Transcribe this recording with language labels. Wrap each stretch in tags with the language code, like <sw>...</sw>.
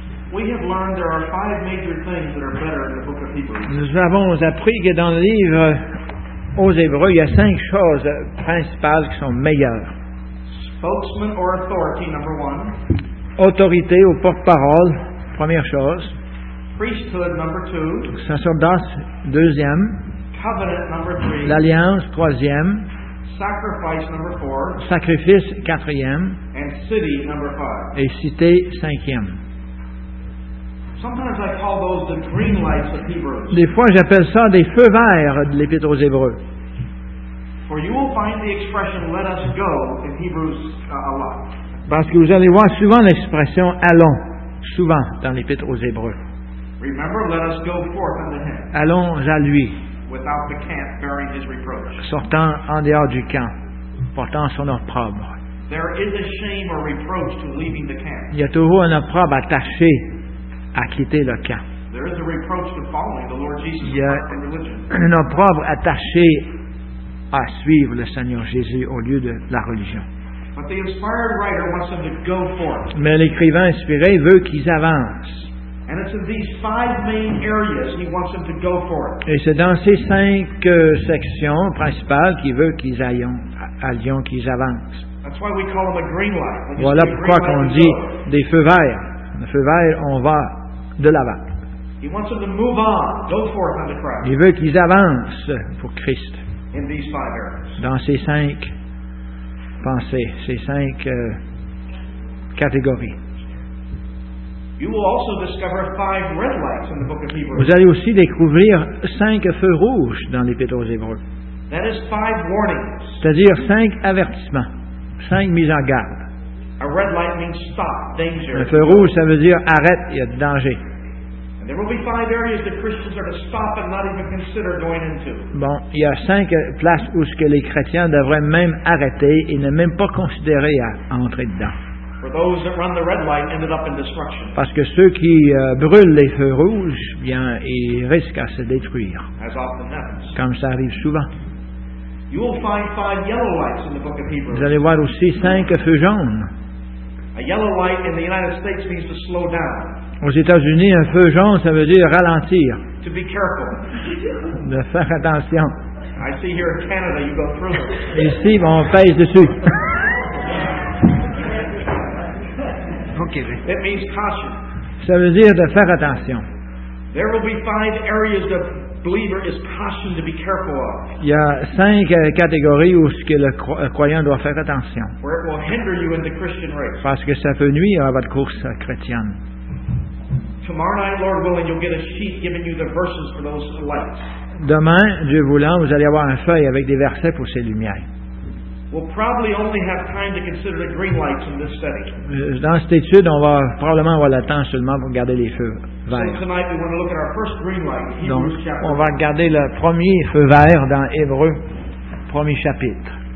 <en>We have learned there are five major things that are better in the book of Hebrews.</en> <fr>Nous avons appris que dans le livre aux Hébreux, il y a cinq choses principales qui sont meilleures.</fr> <en>Spokesman or authority, number one.</en> <fr>Autorité ou porte-parole, première chose.</fr> <en>Priesthood, number two.</en> <fr>Sacerdoce, deuxième.</fr> <en>Covenant, number three.</en> <fr>L'alliance, troisième.</fr> <en>Sacrifice, number four.</en> <fr>Sacrifice, quatrième.</fr> <en>And city, number five.</en> <fr>Et cité, cinquième.</fr> <en>Sometimes I call those the green lights of Hebrews.</en> <fr>Des fois, j'appelle ça des feux verts de l'Épître aux Hébreux.</fr> <en>For you will find the expression "let us go" in Hebrews a lot.</en> <fr>Parce que vous allez voir souvent l'expression "allons", souvent dans l'Épître aux Hébreux.</fr> <en>Remember, let us go forth unto him.</en> <fr>Allons à lui.</fr> <en>Without the camp bearing his reproach.</en> <fr>Sortant en dehors du camp, portant son opprobre.</fr> <en>There is a shame or reproach to leaving the camp.</en> <fr>Il y a toujours un opprobre attaché à quitter le camp.</fr> <en>There is a reproach to following the Lord Jesus.</en> <fr>Il y a un opprobre attaché à suivre le Seigneur Jésus au lieu de la religion.</fr> <en>But the inspired writer wants them to go forth.</en> <fr>Mais l'écrivain inspiré veut qu'ils avancent.</fr> <en>And it's in these five main areas he wants them to go forth.</en> <fr>Et c'est dans ces cinq sections principales qu'il veut qu'ils allions, qu'ils avancent.</fr> <en>That's why we call them a green light.</en> <fr>Voilà pourquoi qu'on dit des feux verts. Le feu vert, on va de l'avant.</fr> <en>He wants them to move on, go forth unto Christ.</en> <fr>Il veut qu'ils avancent pour Christ.</fr> <en>In these five areas.</en> <fr>Dans ces cinq pensées, ces cinq catégories.</fr> <en>You will also discover five red lights in the book of Hebrews.</en> <fr>Vous allez aussi découvrir cinq feux rouges dans l'Épître aux Hébreux.</fr> <en>That is five warnings.</en> <fr>C'est-à-dire cinq avertissements, cinq mises en garde.</fr> <en>A red light means stop, danger.</en> <fr>Le feu rouge, ça veut dire arrête, il y a du danger.</fr> <en>And there will be five areas that Christians are to stop and not even consider going into.</en> <fr>Bon, il y a cinq places où ce que les chrétiens devraient même arrêter et ne même pas considérer à entrer dedans.</fr> <en>For those that run the red light ended up in destruction.</en> <fr>Parce que ceux qui brûlent les feux rouges, bien, ils risquent à se détruire.</fr> <en>As often happens.</en> <fr>Comme ça arrive souvent.</fr> <en>You will find five yellow lights in the book of Hebrews.</en> <fr>Vous allez voir aussi cinq feux jaunes.</fr> <en>A yellow light in the United States means to slow down.</en> <fr>Aux États-Unis, un feu jaune, ça veut dire ralentir.</fr> <en>To be careful.</en> <fr>De faire attention.</fr> <en>I see here in Canada, you go through it.</en> <fr>Ici, on pèse dessus.</fr> <en>Okay. It means caution.</en> <fr>Ça veut dire de faire attention.</fr> <en>There will be five areas that believer is cautioned to be careful of.</en> <fr>Il y a cinq catégories où ce que le croyant doit faire attention.</fr> <en>Where it will hinder you in the Christian race.</en> <fr>Parce que ça peut nuire à votre course chrétienne.</fr> <en>Tomorrow night, Lord willing, you'll get a sheet giving you the verses for those lights.</en> <fr>Demain, Dieu voulant, vous allez avoir un feuille avec des versets pour ces lumières.</fr> <en>We'll probably only have time to consider the green lights in this study.</en> <fr>Dans cette étude, on va probablement avoir le temps seulement pour regarder les feux verts.</fr> <en>So tonight we want to look at our first green light, Hebrews chapter 9.</en> <fr>Donc, on va regarder le premier feu vert dans Hébreux, premier chapitre.</fr>